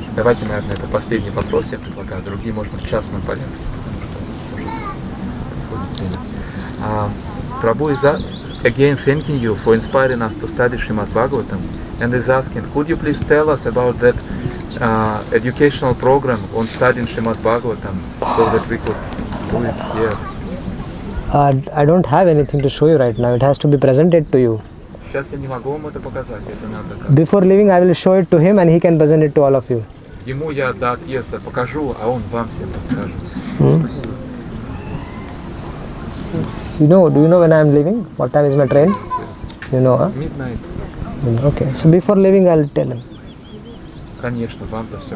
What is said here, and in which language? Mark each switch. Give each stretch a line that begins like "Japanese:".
Russian: Давайте, наверное, это последний вопрос я предлагаю, другие можно в частном порядке, потому что...
English: Prabhu is again thanking you for inspiring us to study Srimad Bhagavatam and is asking, could you please tell us about that educational program on studying Srimad Bhagavatam so that we could do it here? I don't have anything to show you right now. It has to be presented to you.
Russian: Сейчас я не могу вам это показать. Это надо как.
English: Before leaving, I will show it to him and he can present it to all of you.
Russian: Ему я до отъезда покажу, а он вам всем расскажет.
English: Do you know when I am leaving? What time is my train? Yes. You know, Midnight. Okay, so before leaving, I'll tell him.
Russian: Конечно, вам то все.